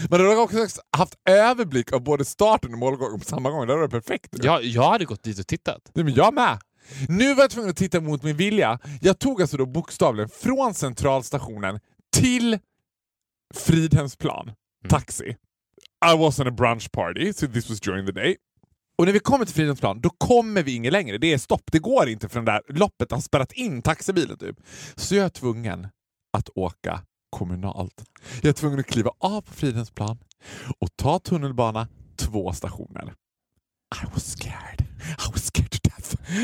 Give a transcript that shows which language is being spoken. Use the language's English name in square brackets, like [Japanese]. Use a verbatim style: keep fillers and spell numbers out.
[Swedish] Men de har också haft överblick av både starten och målgången på samma gång. Det var perfekt. Ja, jag hade gått dit och tittat. Nej, men jag med. Nu var jag tvungen att titta mot min vilja. Jag tog alltså då bokstavligen från centralstationen till Fridhemsplan. Taxi. [English] I was on a brunch party, so this was during the day. [Swedish] Och när vi kommer till Fridhemsplan, då kommer vi ingen längre. Det är stopp, det går inte för den där loppet. Han har spärrat in taxibilen typ. Så jag är tvungen att åka kommunalt. Jag är tvungen att kliva av på Fridhemsplan och ta tunnelbana två stationer. [English] I was scared. I was scared to death.